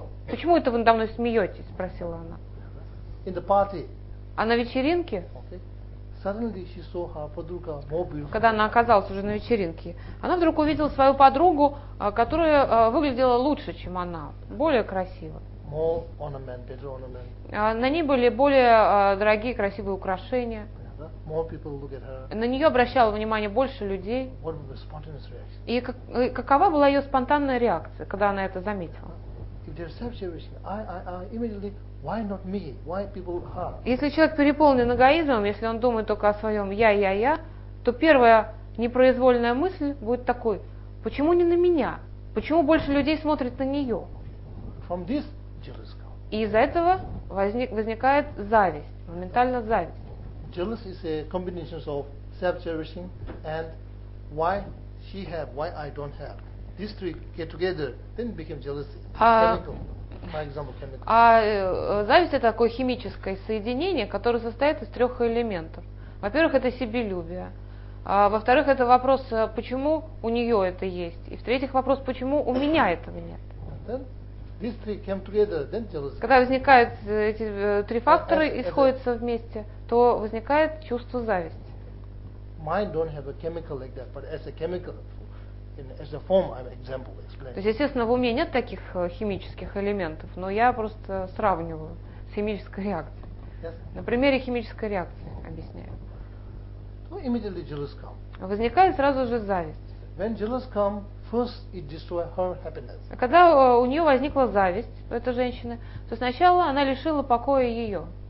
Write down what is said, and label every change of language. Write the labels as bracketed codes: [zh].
[ru] «Почему это вы надо мной смеетесь?» – спросила она. [en] In the party. [ru] А на вечеринке, [en] okay. Suddenly she saw her [ru] подруга, [en] more beautiful. [ru] Когда она оказалась уже на вечеринке, она вдруг увидела свою подругу, которая выглядела лучше, чем она, более красиво. [en] More ornament, better ornament. [ru] На ней были более дорогие, красивые украшения. [en] More people look at her. [ru] На нее обращало внимание больше людей. [en] What was the spontaneous reaction? [ru] И какова была ее спонтанная реакция, когда она это заметила? [en] If the reception is, I immediately, why not me? Why people her? [ru] Если человек переполнен эгоизмом, если он думает только о своем я, то первая непроизвольная мысль будет такой: почему не на меня? Почему больше людей смотрит на нее? [en] From this jealous. [ru] И из-за этого возникает зависть, моментально зависть. [en] Jealousy is a combination of self-cherishing and why she have, why I don't have. These three get together, then become jealousy. Chemical. My example, chemical. [ru] Зависть – это такое химическое соединение, которое состоит из трех элементов. Во-первых, это себелюбие. Во-вторых, это вопрос, почему у нее это есть. И в-третьих, вопрос, почему у меня этого нет. [en] These three came together, then jealousy. [ru] Когда возникают эти три фактора и сходятся вместе, то возникает чувство зависти. [en] Mine don't have a chemical like that, but as a chemical, as a form, I'm example explaining. [ru] То есть, естественно, в уме нет таких химических элементов, но я просто сравниваю с химической реакцией. [en] Yes. [ru] На примере химической реакции объясняю. [en] So immediately jealous come. [ru] Возникает сразу же зависть. [en] When jealous come, first it destroys her happiness. [ru] Когда у нее возникла зависть у этой женщины, то сначала она лишила покоя ее.